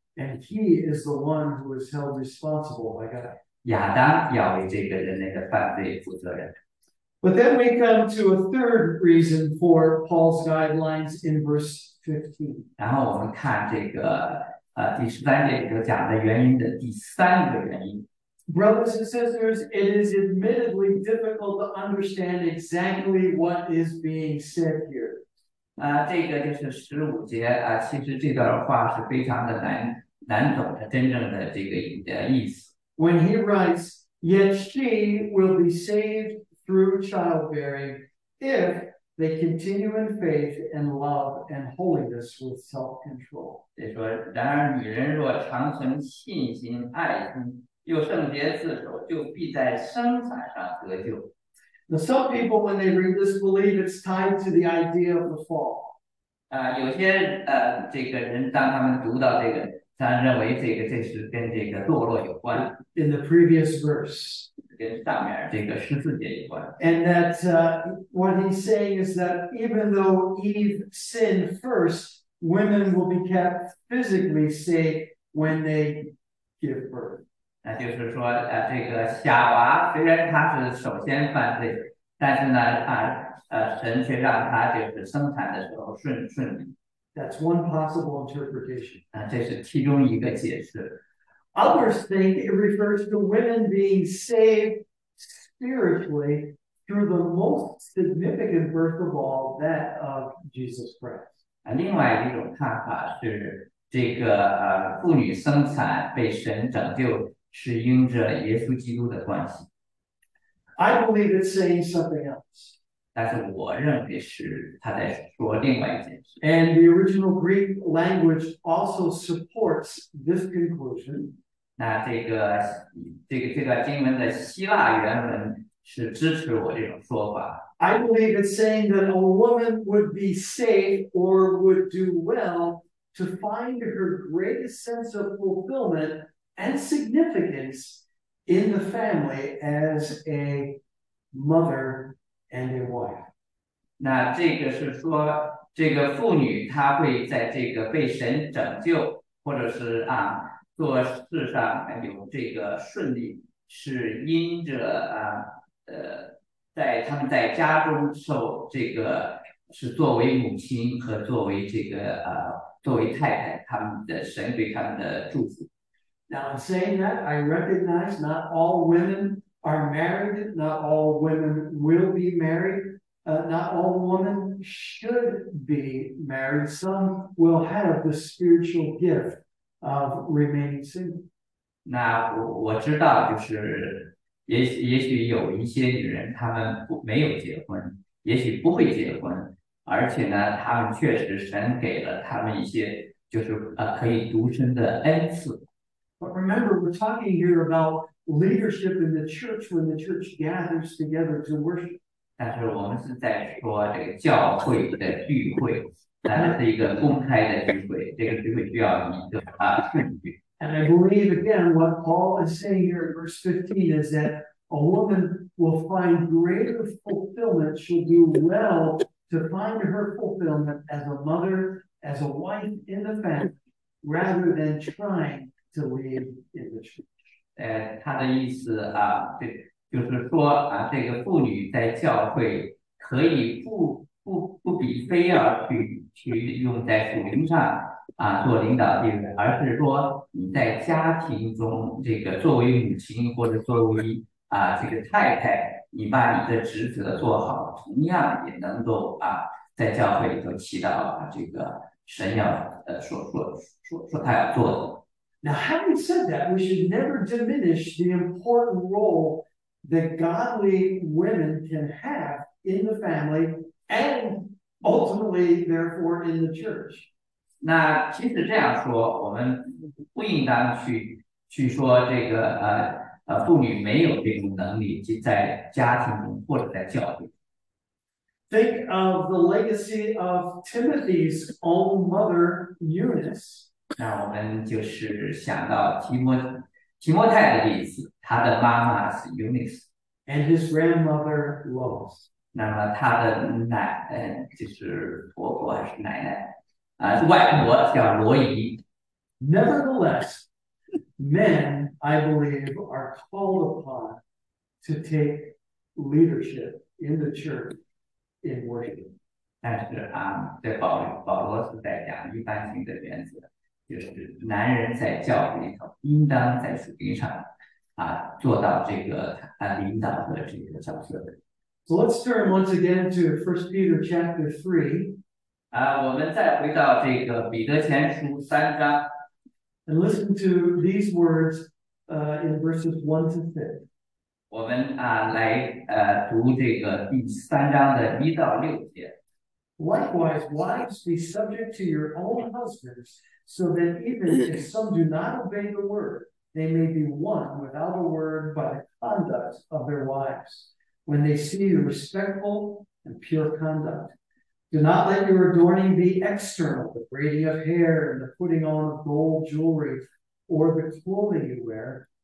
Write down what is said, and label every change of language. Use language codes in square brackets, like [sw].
[en] And he is the one who is held responsible by God. [zh] 亚当要为这个人类的犯罪负责任。 [en] But then we come to a third reason for Paul's guidelines in verse 15. [zh] 然后我们看这个第十三节就讲的原因的第三个原因。 [en] Brothers and sisters, it is admittedly difficult to understand exactly what is being said here. [zh] 这个就是十五节其实这段话是非常的难懂的真正的这个意思。 [en] When he writes, yet she will be saved through childbearing if they continue in faith and love and holiness with self-control. [zh] 他说，然而女人若长存信心、爱心，又圣洁自守，就必在生产上得救。 [en] Now, some people, when they read this, believe it's tied to the idea of the fall. [zh] 有些这个人当他们读到这个，他认为这是跟这个堕落有关。 [en] In the previous verse. [zh] 跟上面这个十四节有关。 [en] And that what he's saying is that even though Eve sinned first, women will be kept physically safe when they give birth. [zh] 那就是说，这个夏娃虽然她是首先犯罪，但是呢，她神却让她就是生产的时候顺利。 [en] That's one possible interpretation. [zh] 这是其中一个解释。 [en] Others think it refers to women being saved spiritually through the most significant birth of all, that of Jesus Christ. [zh] 另外一种看法是这个妇女生产被神拯救是因着耶稣基督的关系。 [en] I believe it's saying something else. [zh] 但是我认为是他在说另外一件事。 [en] And the original Greek language also supports this conclusion. [zh] 那这个经文的希腊原文是支持我这种说法。 [en] I believe it's saying that a woman would be safe or would do well to find her greatest sense of fulfillment and significance in the family as a mother and a wife. [zh] 那这个是说，这个妇女她会在这个被神拯救，或者是做事上有这个顺利，是因着在他们在家中受这个是作为母亲和作为这个作为太太，他们的神对他们的祝福。 [en] Now in saying that, I recognize not all women are married, not all women will be married, not all women should be married. Some will have the spiritual gift of remaining single. [zh] 那我知道就是也许有一些女人她们没有结婚，也许不会结婚，而且呢，她们确实神给了她们一些就是可以独身的恩赐。 [en] But remember, we're talking here about leadership in the church when the church gathers together to worship. [zh] 但是我们是在说这个教会的聚会，那是一个公开的聚会，这个聚会需要一个证据。 [en] And I believe again what Paul is saying here in verse 15 is that a woman will find greater fulfillment, she'll do well to find her fulfillment as a mother, as a wife in the family, rather than trying to lead in the church. [zh] 他的意思就是说这个妇女在教会可以不比非要去用在属灵上做领导地位，而是说你在家庭中这个作为母亲或者作为这个太太，你把你的职责做好，同样也能够在教会里头起到这个神要说他要做的。 [en] Now having said that, we should never diminish the important role that godly women can have in the family and ultimately therefore in the church. [zh] 那其实这样说，我们不应当去说这个妇女没有这种能力，即在家庭中或者在教会。 [en] Think of the legacy of Timothy's own mother, Eunice. [zh] 那我们就是想到提摩太的例子，他的妈妈是 Eunice， [en] and his grandmother Lois。 [zh] 那么他的奶，就是婆婆还是奶奶？外婆叫罗姨。 [en] Nevertheless, men, I believe, are called upon to take leadership in the church in worship. [zh] 但是对保罗是在讲一般性的原则，就是男人在教会里头应当在属灵上做到这个领导的这个角色。 [en] So let's turn once again to 1 Peter chapter 3. [zh] 我们再回到这个彼得前书三章。 [en] And listen to these words in verses 1 to 5. [zh] 我们来读这个第三章的一到六节。 [en] Likewise, wives, be subject to your own husbands, so that even if some do not obey the word, they may be won without a word by the conduct of their wives, when they see your respectful and pure conduct. Do not let your adorning be external, the braiding of hair and the putting on of gold jewelry or the clothing you wear,